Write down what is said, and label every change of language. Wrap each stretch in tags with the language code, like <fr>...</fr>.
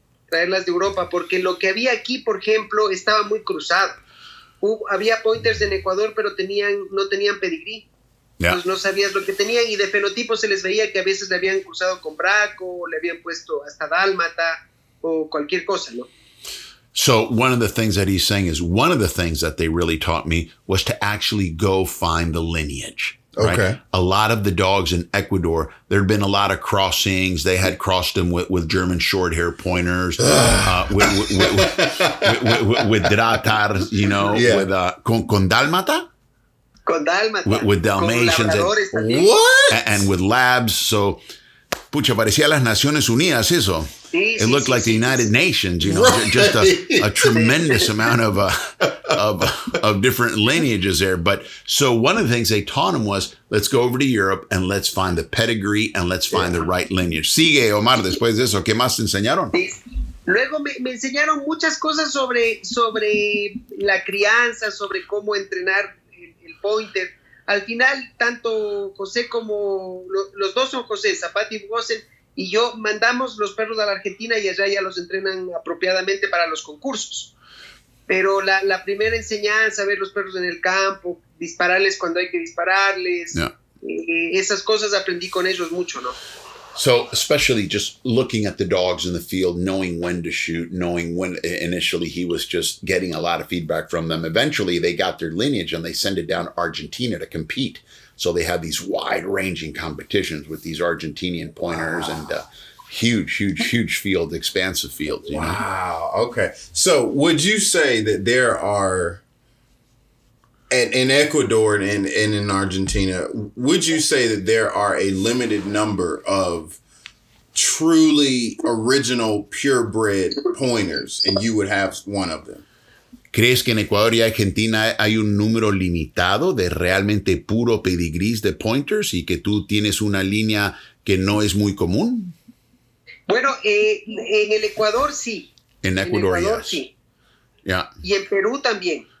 <es>Traerlas de Europa, porque lo que había aquí, por ejemplo, estaba muy cruzado. Había pointers en Ecuador, pero no tenían pedigrí.</es> <en>Yeah.</en> <es>Pues no sabías lo que tenían, y de fenotipo se les veía que a veces le habían cruzado con braco, o le habían puesto hasta dálmata, o cualquier cosa, ¿no?</es> <en>So one of the things that he's saying is one of the things that they really taught me was to actually go find the lineage. Okay. Right? A lot of the dogs in Ecuador, there had been a lot of crossings. They had crossed them with German short hair pointers, with Dratar, you know, yeah. With con Dalmata?</en> <es>Con Dalmata.</es> <en>With Dalmatians.</en> <es>Con</es> <en>and with labs. So,</en> <es>pucha, parecía las Naciones Unidas eso.</es> <en>It looked like the United Nations, you know, right. Just a tremendous amount of different lineages there. But so one of the things they taught him was, let's go over to Europe and let's find the pedigree and let's find the right lineage.</en> <es>Sigue, Omar, después de eso, ¿qué más te enseñaron? Luego me enseñaron muchas cosas sobre la crianza, sobre cómo entrenar el pointer. Al final, tanto José como los dos son José, Zapata y Bugosen, y yo mandamos los perros a la Argentina y allá ya los entrenan apropiadamente para los concursos. Pero la primera enseñanza, ver los perros en el campo, dispararles cuando hay que dispararles, esas cosas aprendí con ellos mucho, ¿no?</es> <en>So, especially just looking at the dogs in the field, knowing when to shoot, knowing when initially he was just getting a lot of feedback from them. Eventually, they got their lineage and they send it down to Argentina to compete. So they have these wide-ranging competitions with these Argentinian pointers and a huge, huge, huge field, expansive field. You know? Okay. So would you say that there are, in Ecuador and in Argentina, would you say that there are a limited number of truly original purebred pointers and you would have one of them?</en> <es>¿Crees que en Ecuador y Argentina hay un número limitado de realmente puro pedigrees de pointers y que tú tienes una línea que no es muy común? Bueno, en el Ecuador sí. En Ecuador, en Ecuador</es> <en>yes.</en> <es>Sí.</es> <en>Yeah.</en> <es>Y en Perú también.</es>